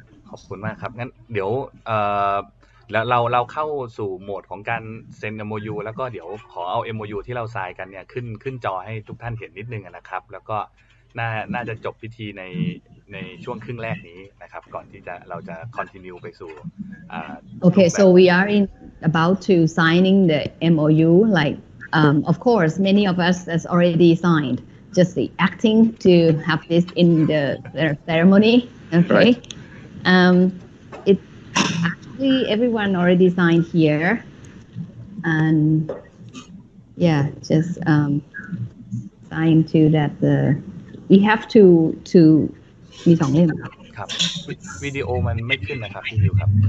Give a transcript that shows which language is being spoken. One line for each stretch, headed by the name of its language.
Thai: ขอบคุณมากครับงั้นเดี๋ยวแล้วเราเข้าสู่โหมดของการเซ็น MOU แล้วก็เดี๋ยวขอเอา MOU ที่เราทรายกันเนี่ยขึ้นจอให้ทุกท่านเห็นนิดนึงนะครับแล้วก็น่าจะจบพิธีในช่วงครึ่งแรกนี้นะครับก่อนที่จะเราจะ continue ไปสู่
English: Okay, so we are in about to signing the MOU like of course many of us has already signed just the acting to have this in the ceremony okay right. It actually everyone already signed here, and yeah, just sign to that. The we have to
Thai: มีสองเล่ม ครับวิดีโอมันไม่ขึ้นนะครับพี่ฮิวครับ